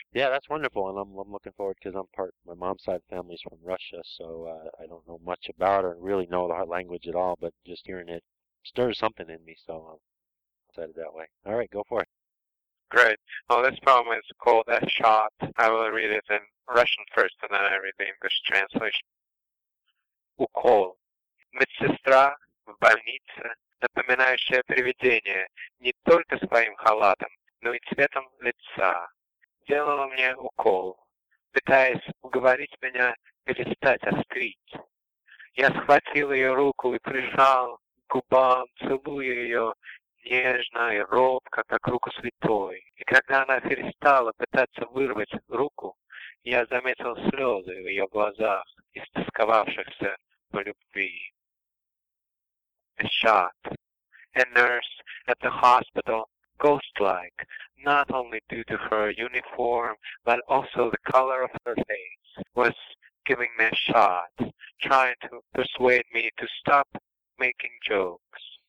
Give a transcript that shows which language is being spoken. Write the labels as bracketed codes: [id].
[en] Yeah, that's wonderful, and I'm looking forward, because my mom's side of the family is from Russia, so I don't know much about her, really know the language at all, but just hearing it stirs something in me, so I'm excited that way. All right, go for it. Great. Well, this poem is called A Shot. I will read it in Russian first, and then I read the English translation. [ru] Укол. Медсестра в больнице. Напоминающее привидение не только своим халатом, но и цветом лица. Делала мне укол, пытаясь уговорить меня перестать острить. Я схватил ее руку и прижал к губам, целуя ее нежно и робко, как руку святой. И когда она перестала пытаться вырвать руку, я заметил слезы в ее глазах, истосковавшихся по любви. [en] A shot. A nurse at the hospital, ghost-like, not only due to her uniform, but also the color of her face, was giving me a shot, trying to persuade me to stop making jokes.